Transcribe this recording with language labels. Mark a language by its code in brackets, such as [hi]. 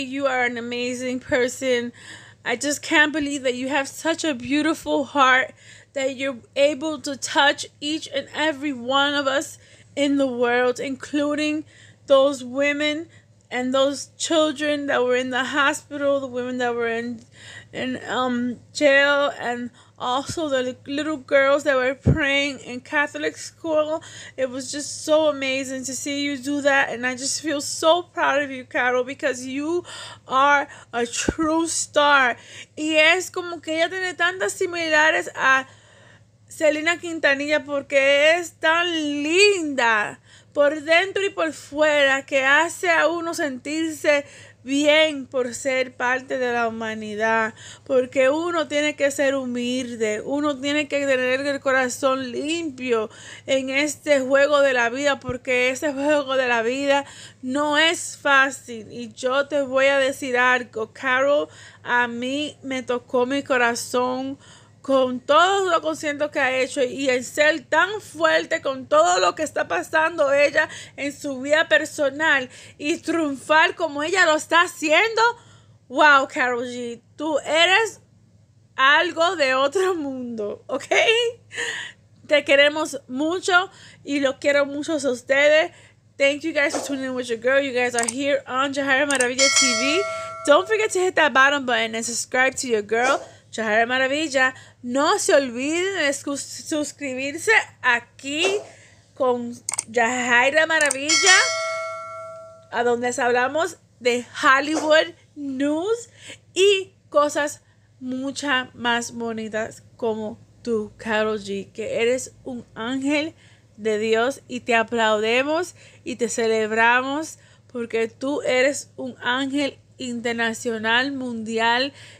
[en] Person, I just can't believe that you have such a beautiful heart that you're able to touch each and every one of us in the world, including those women and those children that were in the hospital, the women that were in jail, and also the little girls that were praying in Catholic school. It was just so amazing to see you do that. And I just feel so proud of you, Carol, because you are a true star. [es] Y es como que ella tiene tantas similares a Selena Quintanilla porque es tan linda por dentro y por fuera que hace a uno sentirse bien por ser parte de la humanidad, porque uno tiene que ser humilde, uno tiene que tener el corazón limpio en este juego de la vida, porque ese juego de la vida no es fácil. Y yo te voy a decir algo, Carol, a mí me tocó mi corazón con todos los conciertos que ha hecho y el ser tan fuerte con todo lo que está pasando ella en su vida personal y triunfar como ella lo está haciendo. Wow, Carol G, tú eres algo de otro mundo, ¿ok? Te queremos mucho y lo quiero mucho a ustedes. [en] Thank you guys for tuning in with your girl. You guys are here on Jahaira Maravilla TV. Don't forget to hit that bottom button and subscribe to your girl, Jahaira Maravilla. [es] No se olviden de suscribirse aquí con Jahaira Maravilla, a donde hablamos de [en] Hollywood news [es] y cosas mucha más bonitas como tú, Carol G, que eres un ángel de Dios y te aplaudemos y te celebramos porque tú eres un ángel internacional, mundial,